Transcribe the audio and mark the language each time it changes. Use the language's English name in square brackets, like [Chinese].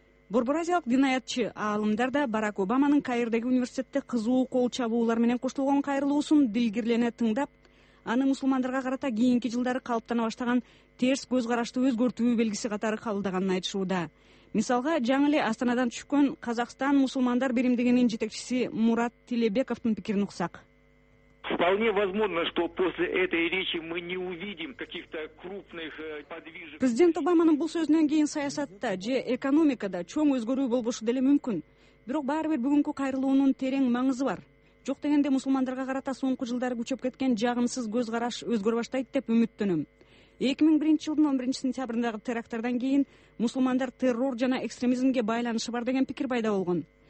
[Kyrgyz] Борбор азиялык динаятчы аалымдар да Барак Обаманын Каирдеги университетте кызуу кол чабуулар менен коштолгон кайрылуусун дилгирлене тыңдап, аны мусулмандарга карата кийинки жылдары калыптана баштаган терс көз карашты өзгөртүү белгиси катары кабылдаганын айтышууда. Мисалга, жаңы эле Астанадан түшкөн Казакстан мусулмандар биримдигинин жетекчиси Мурат Тилебековдун пикирин уксак. [Russian] Вполне возможно, что после этой речи мы не увидим каких-то крупных подвижек. [Kyrgyz] Президент Обаманын бул сөзүнөн кийин саясатта же экономикада чоң өзгөрүү болбошу деле мүмкүн. Бирок баарыбир бүгүнкү кайрылуунун терең маңызы бар. Жок дегенде мусулмандарга карата соңку жылдары күчөп кеткен жагымсыз көз караш өзгөрө баштайт деп үмүттөнөм. 2001 жылдын 11 сентябрындагы терактардан кийин мусулмандар террор жана экстремизмге байланышы бар деген пикир пайда болгон.